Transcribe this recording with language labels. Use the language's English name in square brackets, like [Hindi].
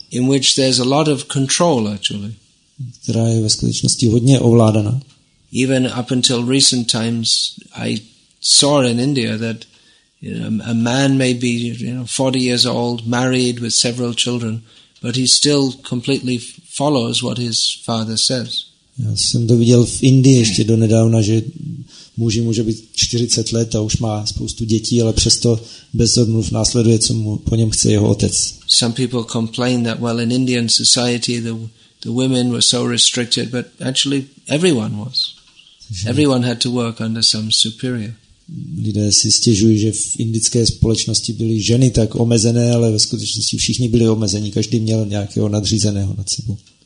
[English] In which there's a lot of control, actually. [Czech] Která je ve skutečnosti hodně ovládaná. [English] Even up until recent times, I saw in India that a man may be 40 years old, married with several children, but he still completely follows what his father says. [Czech] Já jsem to viděl v Indii ještě donedávna, že muži může být 40 let a už má spoustu dětí, ale přesto bez odmluv následuje, co mu po něm chce jeho otec. [English] Some people complain that well in Indian society the women were so restricted, but actually everyone was. Everyone had to work under some superior. [Czech] Lidé si stěžují, že v indické společnosti byly ženy tak omezené, ale ve skutečnosti všichni byli omezení, každý měl nějakého nadřízeného nad sebou.